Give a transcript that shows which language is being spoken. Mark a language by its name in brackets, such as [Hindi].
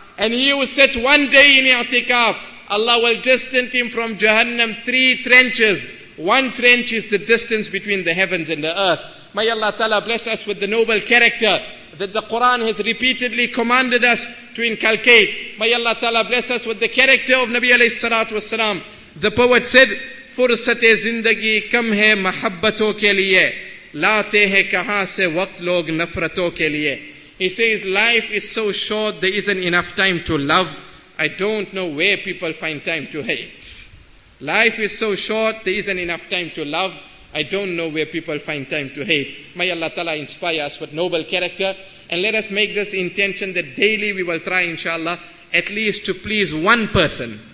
[English] And he who sits one day in i'tikaf, Allah will distance him from Jahannam 3 trenches. One trench is the distance between the heavens and the earth. May Allah Ta'ala bless us with the noble character that the Quran has repeatedly commanded us to inculcate. May Allah Ta'ala bless us with the character of Nabi alayhi salatu wasalam. The poet said, [Urdu] فرصت زندگی کم ہے محبتوں کے لیے لاتے ہیں کہاں سے وقت لوگ نفرتوں کے لیے. [English] He says, life is so short, there isn't enough time to love. I don't know where people find time to hate. Life is so short, there isn't enough time to love. I don't know where people find time to hate. May Allah Ta'ala inspire us with noble character. And let us make this intention that daily we will try, inshallah, at least to please one person.